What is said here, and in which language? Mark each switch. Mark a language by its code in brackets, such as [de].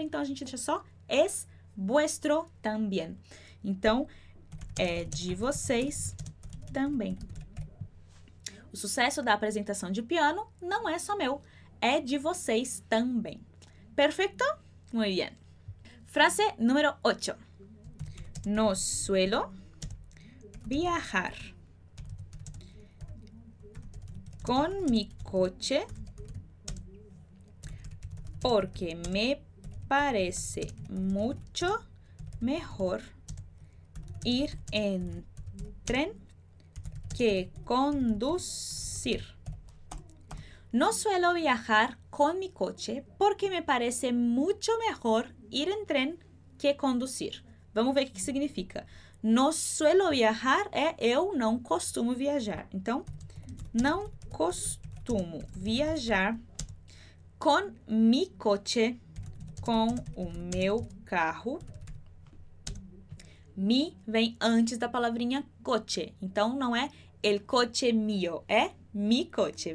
[pt] Então, a gente deixa só es vuestro también. Então, é de vocês também. O sucesso da apresentação de piano não é só meu, é de vocês também. Perfeito? [es] Muy bien. [pt] Frase número 8. [es] No suelo viajar con mi coche porque me parece mucho mejor ir en tren que conducir. No suelo viajar con mi coche porque me parece mucho mejor ir en tren que conducir. [pt] Vamos ver o que significa. [es] No suelo viajar [pt] é eu não costumo viajar. Então, não costumo viajar [es] com mi coche, [pt] com o meu carro. Mi vem antes da palavrinha coche. Então, não é el coche mio, é mi coche.